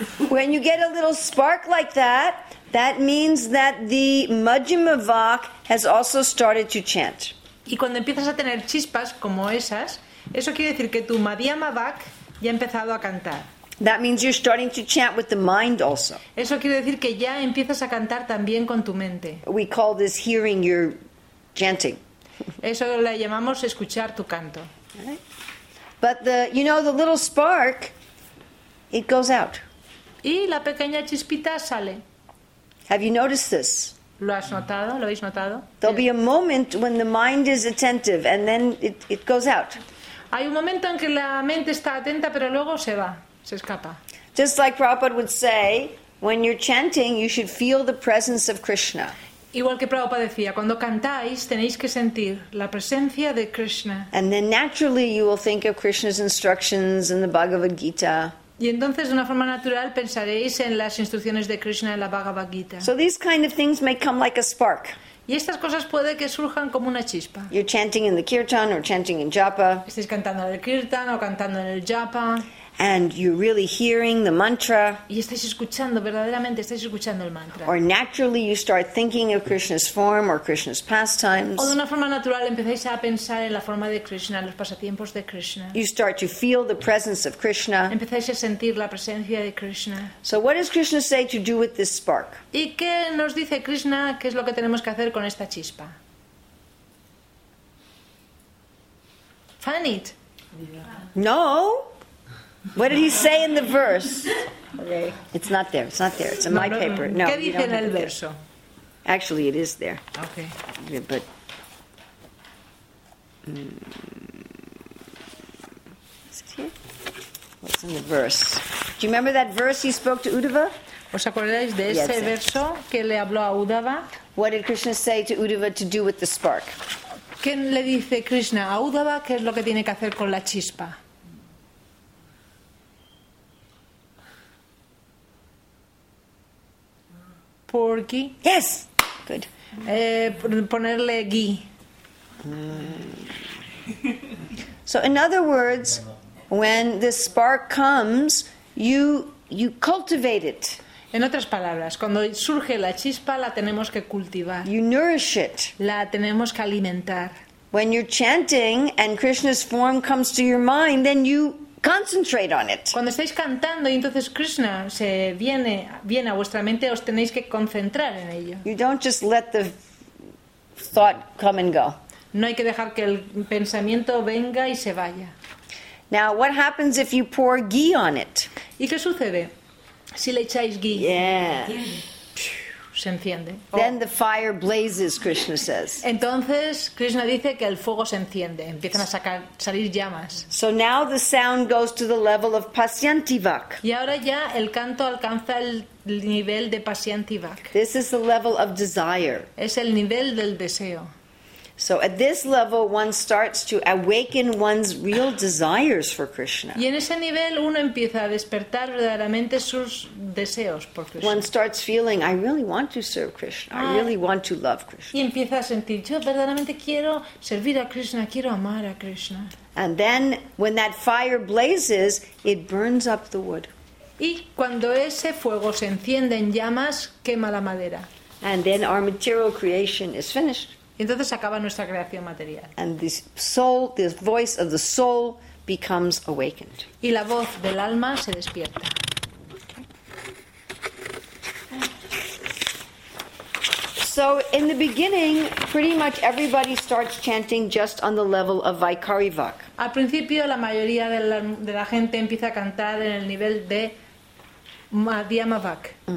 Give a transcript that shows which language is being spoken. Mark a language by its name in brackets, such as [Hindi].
[English] When you get a little spark like that, that means that the Madhyama Vak has also started to chant. [Spanish] Y cuando empiezas a tener chispas como esas, eso quiere decir que tu Madhyama Vak ya ha empezado a cantar. [English] That means you're starting to chant with the mind also. [Spanish] Eso quiere decir que ya empiezas a cantar también con tu mente. [English] We call this hearing your chanting. [Spanish] Eso le llamamos escuchar tu canto. Right. [English] But the, you know, the little spark, it goes out. [Spanish] Y la pequeña chispita sale. [English] Have you noticed this? [Spanish] ¿Lo has notado? ¿Lo habéis notado? [English] There'll be a moment when the mind is attentive and then it goes out. [Spanish] Hay un momento en que la mente está atenta, pero luego se va. Se escapa. [English] Just like Prabhupada would say, when you're chanting, you should feel the presence of Krishna. [Spanish] Igual que Prabhupada decía, cuando cantáis, tenéis que sentir la presencia de Krishna. [English] And then naturally you will think of Krishna's instructions in the Bhagavad Gita. [Spanish] Y entonces, de una forma natural, pensaréis en las instrucciones de Krishna en la Bhagavad Gita. [English] So these kind of things may come like a spark. [Spanish] Y estas cosas puede que surjan como una chispa. [English] You're chanting in the kirtan or chanting in japa. [Spanish] Estáis cantando en el kirtan o cantando en el japa. [English] And you're really hearing the mantra. [Spanish] Y estáis escuchando, verdaderamente estáis escuchando el mantra. [English] Or naturally you start thinking of Krishna's form or Krishna's pastimes. [Spanish] O de una forma natural empezáis a pensar en la forma de Krishna, los pasatiempos de Krishna. [English] You start to feel the presence of Krishna. [Spanish] Empezáis a sentir la presencia de Krishna. [English] So what does Krishna say to do with this spark? [Spanish] ¿Y qué nos dice Krishna qué es lo que tenemos que hacer con esta chispa? [English] Fan it. Fan it. No. What did he say in the verse? Okay. It's not there. It's not there. It's in my paper. No. [Spanish] ¿Qué dice en el verso? [English] Actually, it is there. Okay. Yeah, but is it here? What's in the verse? Do you remember that verse he spoke to Uddhava? [Spanish] ¿Os acordáis de ese verso que le habló a Uddhava? [English] What did Krishna say to Uddhava to do with the spark? [Spanish] ¿Qué le dice Krishna a Uddhava qué es lo que tiene que hacer con la chispa? [English] Por ghee. Yes. Good. [Spanish] Ponerle ghee. Mm. [English] So in other words, when the spark comes, you cultivate it. [Spanish] En otras palabras, cuando surge la chispa, la tenemos que cultivar. [English] You nourish it. [Spanish] La tenemos que alimentar. [English] When you're chanting and Krishna's form comes to your mind, then you concentrate on it. [Spanish] Cuando estáis cantando y entonces Krishna se viene a vuestra mente, os tenéis que concentrar en ello. [English] You don't just let the thought come and go. [Spanish] No hay que dejar que el pensamiento venga y se vaya. [English] Now, what happens if you pour ghee on it? [Spanish] ¿Y qué sucede si le echáis ghee? [English] Yeah. [Spanish] Se enciende. [English] Then the fire blazes, Krishna says. [Spanish] Entonces Krishna dice que el fuego se enciende, empiezan a salir llamas. [English] So now the sound goes to the level of Pasyantivak. [Spanish] Y ahora ya el canto alcanza el nivel de Pasyantivak. [English] This is the level of desire. [Spanish] Es el nivel del deseo. [English] So at this level one starts to awaken one's real desires for Krishna. [Spanish] Y en ese nivel uno empieza a despertar verdaderamente sus deseos por Krishna. [English] One starts feeling, I really want to serve Krishna. I really want to love Krishna. [Spanish] Y empieza a sentir, yo verdaderamente quiero servir a Krishna, quiero amar a Krishna. [English] And then when that fire blazes, it burns up the wood. [Spanish] Y cuando ese fuego se enciende en llamas, quema la madera. [English] And then our material creation is finished. [Spanish] Y entonces acaba nuestra creación material. [English] And the soul, the voice of the soul becomes awakened. [Spanish] Y la voz del alma se despierta. [English] So in the beginning, pretty much everybody starts chanting just on the level of Vaikarivak. [Spanish] Al principio la mayoría de la gente empieza a cantar en el nivel de Madhyamavak.